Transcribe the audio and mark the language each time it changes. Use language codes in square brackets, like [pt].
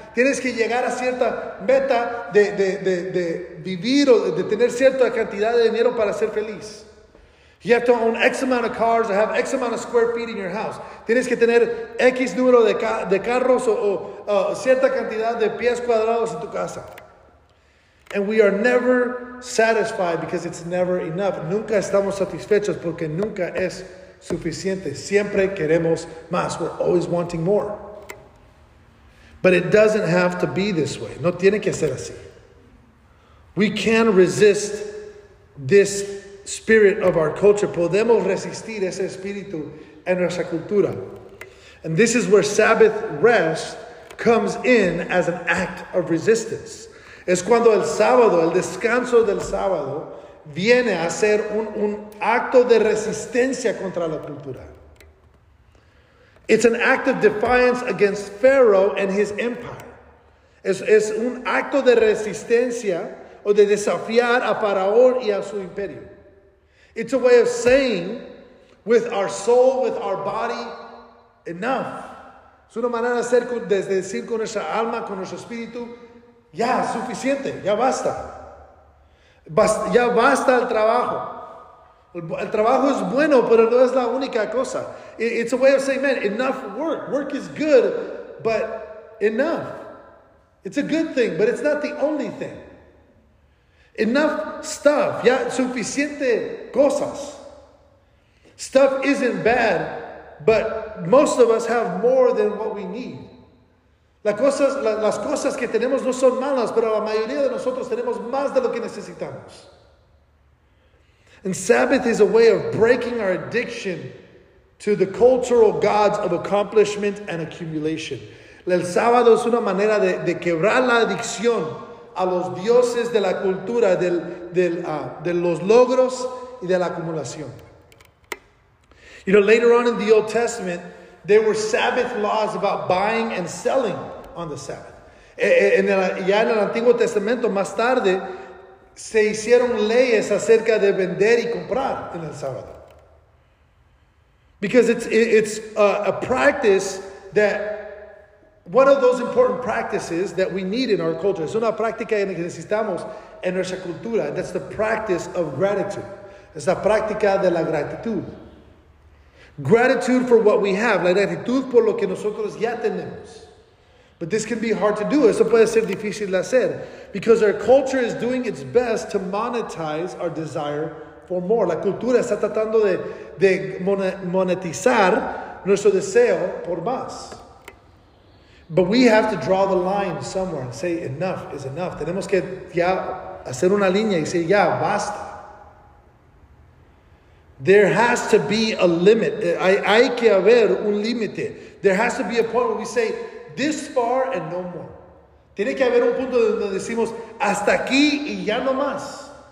[es] Tienes que llegar a cierta meta de vivir o de tener cierta cantidad de dinero para ser feliz. [en] You have to own X amount of cars or have X amount of square feet in your house. [es] Tienes que tener X número de carros o cierta cantidad de pies cuadrados en tu casa. [en] And we are never satisfied because it's never enough. [es] Nunca estamos satisfechos porque nunca es suficiente. Siempre queremos más. [en] We're always wanting more. But it doesn't have to be this way. [es] No tiene que ser así. [en] We can resist this spirit of our culture. [es] Podemos resistir ese espíritu en nuestra cultura. [en] And this is where Sabbath rest comes in as an act of resistance. [es] Es cuando el sábado, el descanso del sábado, viene a ser un acto de resistencia contra la cultura. [en] It's an act of defiance against Pharaoh and his empire. [es] Es un acto de resistencia o de desafiar a Faraón y a su imperio. [en] It's a way of saying with our soul, with our body, enough. [es] Es una manera de hacer desde decir con nuestra alma, con nuestro espíritu, ya, suficiente, ya basta. Ya basta el trabajo. El trabajo es bueno, pero no es la única cosa. [en] It's a way of saying, man, enough work. Work is good, but enough. It's a good thing, but it's not the only thing. Enough stuff, [es] ya suficiente cosas. [en] Stuff isn't bad, but most of us have more than what we need. [es] Las cosas que tenemos no son malas, pero la mayoría de nosotros tenemos más de lo que necesitamos. [en] And Sabbath is a way of breaking our addiction to the cultural gods of accomplishment and accumulation. [es] El sábado es una manera de quebrar la adicción a los dioses de la cultura, de los logros y de la acumulación. [en] You know, later on in the Old Testament, there were Sabbath laws about buying and selling on the Sabbath. [es] Ya en el Antiguo Testamento, más tarde, se hicieron leyes acerca de vender y comprar en el sábado. [en] Because it's a practice that, one of those important practices that we need in our culture. [es] Es una práctica que necesitamos en nuestra cultura. [en] That's the practice of gratitude. [es] Es la práctica de la gratitud. [en] Gratitude for what we have, [es] la gratitud por lo que nosotros ya tenemos. [en] But this can be hard to do. [es] Eso puede ser difícil de hacer. [en] Because our culture is doing its best to monetize our desire for more. [es] La cultura está tratando de monetizar nuestro deseo por más. [en] But we have to draw the line somewhere and say, enough is enough. [es] Tenemos que ya hacer una línea y decir, ya, basta. [en] There has to be a limit. [es] Hay que haber un límite. [en] There has to be a point where we say, this far and no more. [es] Tiene que haber un punto donde decimos, hasta aquí y ya no más.